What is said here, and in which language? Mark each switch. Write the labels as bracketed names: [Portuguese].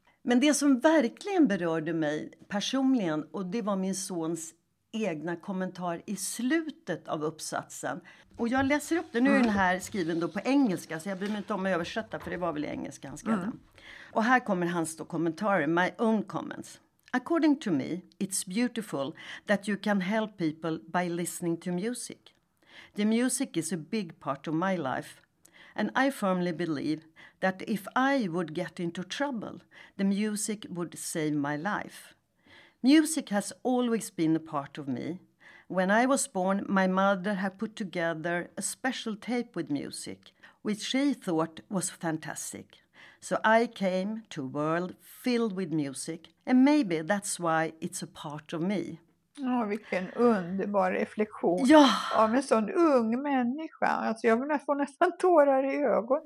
[Swedish] Men det som verkligen berörde mig personligen, och det var min sons egna kommentar i slutet av uppsatsen. Och jag läser upp det. Nu är den här skriven då på engelska, så jag bryr mig inte om att översätta, för det var väl engelska han skrev. Mm. Och här kommer hans då kommentar, [English] my own comments. According to me, it's beautiful that you can help people by listening to music. The music is a big part of my life. And I firmly believe that if I would get into trouble, the music would save my life. Music has always been a part of me. When I was born, my mother had put together a special tape with music, which she thought was fantastic. So I came to a world filled with music, and maybe that's why it's a part of me. [Swedish] Åh, vilken underbar reflektion. Ja. Av en sån ung människa. Alltså jag får nästan tårar i ögonen.